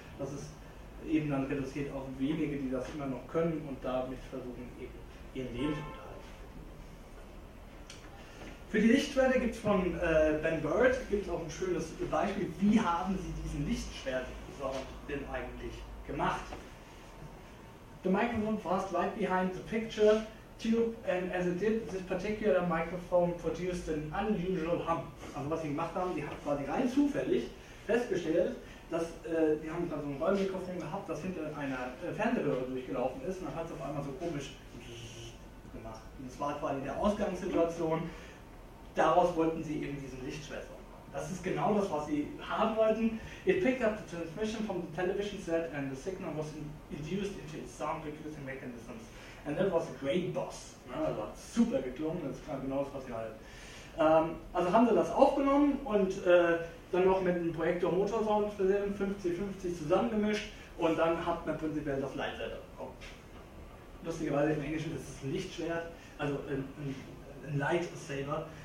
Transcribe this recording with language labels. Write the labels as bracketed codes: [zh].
[de] Das ist eben dann reduziert auf wenige, die das immer noch können und damit versuchen, eben ihren Lebensunterhalt. Für die Lichtschwerter gibt es von Ben Bird gibt's auch ein schönes Beispiel, wie haben sie diesen Lichtschwert-Sound denn eigentlich gemacht? [en] The microphone passed right behind the picture tube, and as it did, this particular microphone produced an unusual hum. [de] Also was sie gemacht haben, die haben quasi rein zufällig festgestellt, dass die haben da so ein Rollmikrofon gehabt, das hinter einer Fernsehröhre durchgelaufen ist, und dann hat es auf einmal so komisch gemacht. Und das war quasi der Ausgangssituation. Daraus wollten sie eben diesen Lichtschwert. Das ist genau das, was sie haben wollten. [en] It picked up the transmission from the television set and the signal was induced into its sound reducing mechanisms. And that was a great boss. [de] Ja, das war super geklungen, das war genau das, was sie halt. Also haben sie das aufgenommen und dann noch mit einem Projektor Motorsound versehen, 50-50 zusammengemischt und dann hat man prinzipiell das Lightsaber bekommen. Lustigerweise im Englischen ist es ein Lichtschwert, also ein Lightsaber.